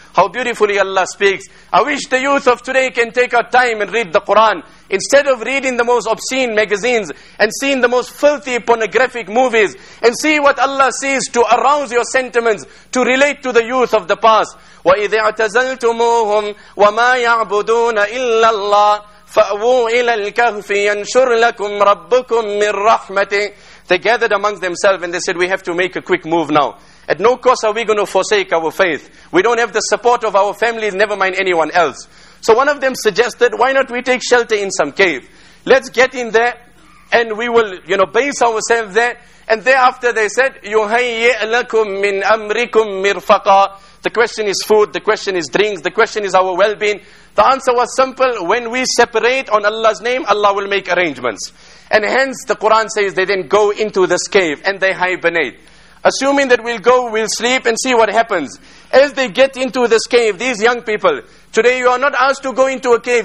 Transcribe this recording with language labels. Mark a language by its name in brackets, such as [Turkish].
[English] How beautifully Allah speaks. I wish the youth of today can take our time and read the Quran. Instead of reading the most obscene magazines and seeing the most filthy pornographic movies and see what Allah sees to arouse your sentiments, to relate to the youth of the past. [Arabic] وَإِذِ اَعْتَزَلْتُمُوهُمْ وَمَا يَعْبُدُونَ إِلَّا اللَّهِ فأووا إلى الكهف ينشر لكم ربكم من رحمته. [English] They gathered amongst themselves and they said, we have to make a quick move now. At no cost are we going to forsake our faith. We don't have the support of our families, never mind anyone else. So one of them suggested, why not we take shelter in some cave? Let's get in there and we will, you know, base ourselves there. And thereafter they said, [Arabic] يُهَيِّئْ لَكُم مِّنْ أَمْرِكُم مِّرْفَقًا. [English] The question is food, the question is drinks, the question is our well-being. The answer was simple, when we separate on Allah's name, Allah will make arrangements. And hence the Quran says they then go into this cave and they hibernate. Assuming that we'll go, we'll sleep and see what happens. As they get into this cave, these young people, today you are not asked to go into a cave.